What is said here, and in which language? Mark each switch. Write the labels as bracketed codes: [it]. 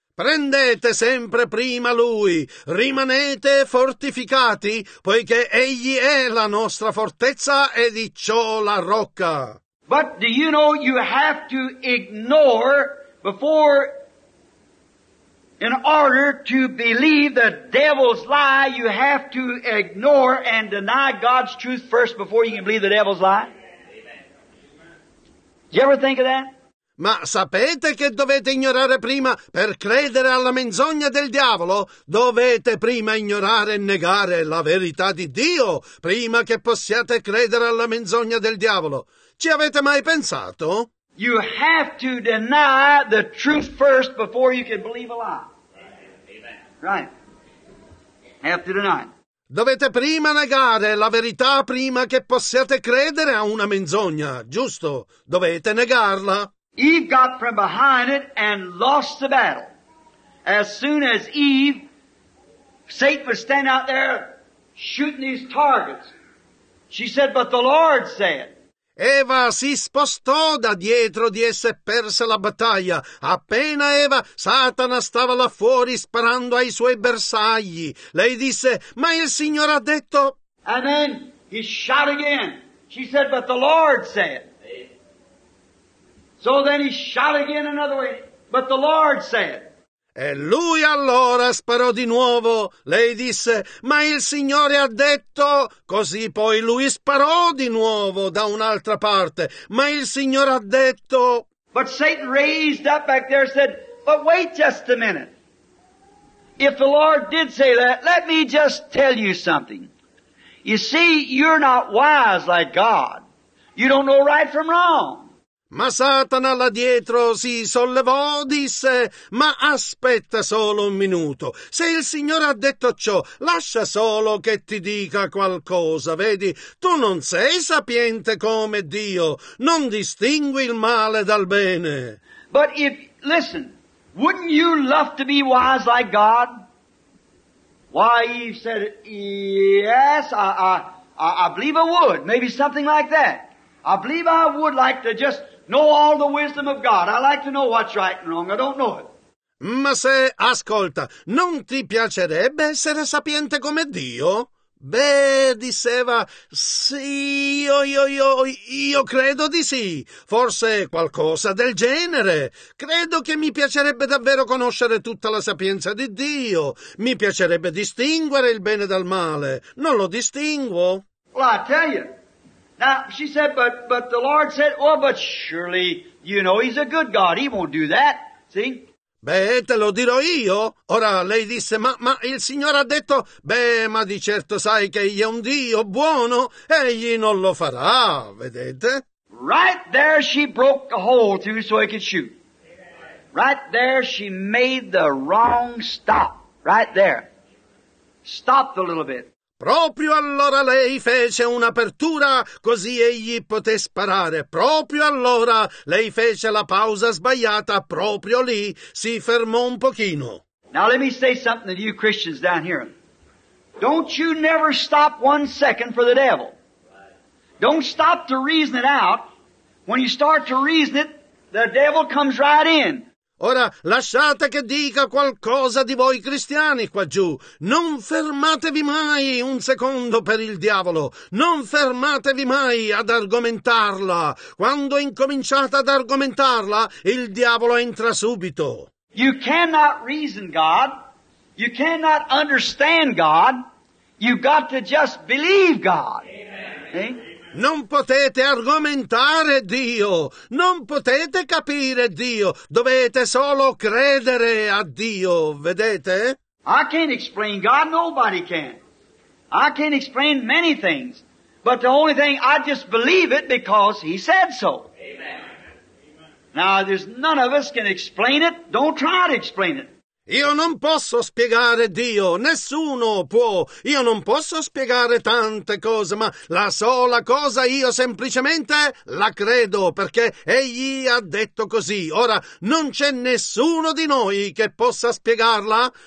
[it] Prendete sempre prima Lui, rimanete fortificati, poiché Egli è la nostra fortezza e di ciò la rocca. [en] But do you know you have to ignore before, in order to believe the devil's lie, you have to ignore and deny God's truth first before you can believe the devil's lie? Did you ever think of that? [it] Ma sapete che dovete ignorare prima per credere alla menzogna del diavolo? Dovete prima ignorare e negare la verità di Dio prima che possiate credere alla menzogna del diavolo. Ci avete mai pensato? [en] You have to deny the truth first before you can believe a lie. Amen. Right. Have to deny. [it] Dovete prima negare la verità prima che possiate credere a una menzogna, giusto? Dovete negarla. [en] Eve got from behind it and lost the battle. As soon as Eve, Satan was standing out there shooting these targets. She said, but the Lord said. [it] Eva si spostò da dietro di essa e perse la battaglia. Appena Eva, Satana stava là fuori sparando ai suoi bersagli. Lei disse, ma il Signore ha detto. [en] And then he shot again. She said, but the Lord said. So then he shot again another way, but the Lord said. [it] E lui allora sparò di nuovo. Lei disse, ma il Signore ha detto. Così poi lui sparò di nuovo da un'altra parte. Ma il Signore ha detto. [en] But Satan raised up back there and said, but wait just a minute. If the Lord did say that, let me just tell you something. You see, you're not wise like God. You don't know right from wrong. [it] Ma Satana là dietro si sollevò, disse, ma aspetta solo un minuto. Se il Signore ha detto ciò, lascia solo che ti dica qualcosa. Vedi, tu non sei sapiente come Dio. Non distingui il male dal bene. [en] But if, listen, wouldn't you love to be wise like God? Why, Eve said, yes, I believe I would. Maybe something like that. I believe I would like to just know all the wisdom of God. I like to know what's right and wrong. I don't know it. [it] Ma se, ascolta, non ti piacerebbe essere sapiente come Dio? Beh, diceva, sì, io credo di sì. Forse qualcosa del genere. Credo che mi piacerebbe davvero conoscere tutta la sapienza di Dio. Mi piacerebbe distinguere il bene dal male. Non lo distinguo. [en] Well, I tell you. Now, she said, but the Lord said, oh, but surely, you know, he's a good God. He won't do that. See? [it] Beh, te lo dirò io. Ora, lei disse, ma il Signore ha detto, beh, ma di certo sai che egli è un Dio buono. Egli non lo farà, vedete? [en] Right there she broke the hole through so he could shoot. Right there she made the wrong stop. Right there. Stopped a little bit. [it] Proprio allora lei fece un'apertura così egli poté sparare. Proprio allora lei fece la pausa sbagliata. Proprio lì si fermò un pochino. [en] Now let me say something to you Christians down here. Don't you never stop one second for the devil. Don't stop to reason it out. When you start to reason it, the devil comes right in. [it] Ora, lasciate che dica qualcosa di voi cristiani qua giù. Non fermatevi mai un secondo per il diavolo. Non fermatevi mai ad argomentarla. Quando incominciate ad argomentarla, il diavolo entra subito. [en] You cannot reason God. You cannot understand God. You've got to just believe God. Amen. Eh? [it] Non potete argomentare Dio, non potete capire Dio, dovete solo credere a Dio, vedete? [en] I can't explain God, nobody can. I can't explain many things, but the only thing, I just believe it because He said so. Amen. Now, there's none of us can explain it, don't try to explain it. [it] Io non posso spiegare Dio, nessuno può. Io non posso spiegare tante cose, ma la sola cosa io semplicemente la credo, perché Egli ha detto così. Ora, non c'è nessuno di noi che possa spiegarla?